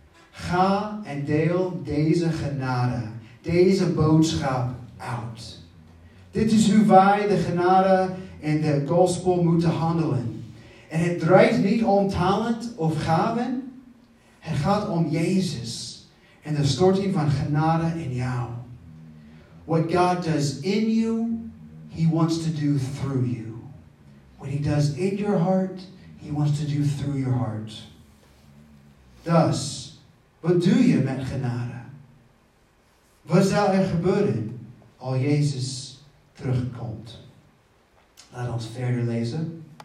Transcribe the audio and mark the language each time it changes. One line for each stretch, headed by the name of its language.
Dutch: Ga en deel deze genade, deze boodschap uit. Dit is hoe wij de genade en de gospel moeten handelen. En het draait niet om talent of gaven. Het gaat om Jezus en de storting van genade in jou.
English: What God does in you, He wants to do through you. What He does in your heart, He wants to do through your heart.
Dutch: Thus, wat doe je met genade? Wat zou er gebeuren als Jezus terugkomt? Laat ons verder lezen.